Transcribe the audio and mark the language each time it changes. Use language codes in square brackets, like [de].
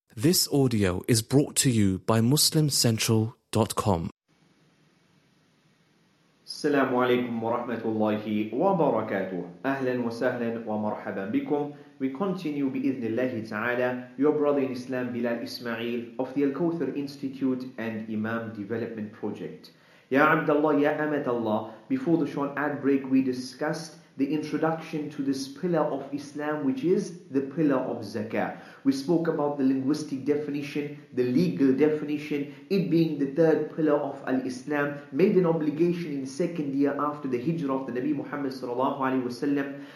[en] This audio is brought to you by MuslimCentral.com. [ar] السلام عليكم ورحمة الله وبركاته. أهلا وسهلا ومرحبا بكم. [en] We continue [ar] بإذن الله تعالى. [en] Your brother in Islam, Bilal Ismail of the Al-Kawthar Institute and Imam Development Project. [ar] Ya Abdullah, Ya Amat Allah. [en] Before the short ad break, we discussed the introduction to this pillar of Islam, which is the pillar of Zakah. We spoke about the linguistic definition, the legal definition, it being the third pillar of Al-Islam, made an obligation in second year after the Hijrah of the Nabi Muhammad sallallahu alaihi wasallam.